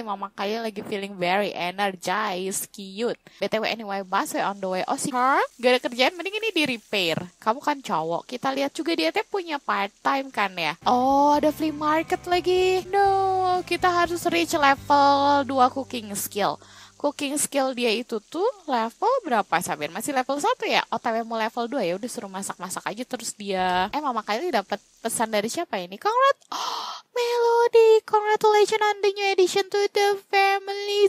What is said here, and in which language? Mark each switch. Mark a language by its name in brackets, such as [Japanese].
[English] Mama Kylie lagi feeling very energized, cute. BTW anyway, busway on the way. [Indonesian] Oh sih, gak ada kerjaan, mending ini di repair. Kamu kan cowok, kita lihat juga dia teh punya part time kan ya. Oh, ada [English] flea market [Indonesian] lagi. No, kita harus [English] reach level 2 cooking skill. [Indonesian] Cooking skill dia itu tuh level berapa, Sabir? Masih level 1 ya? OTW mau level 2 ya? Udah suruh masak-masak aja terus dia. Eh, Mama Kylie dapat pesan dari siapa ini? [English] Congrat! Oh, Melody! Congratulations on the new addition to the family!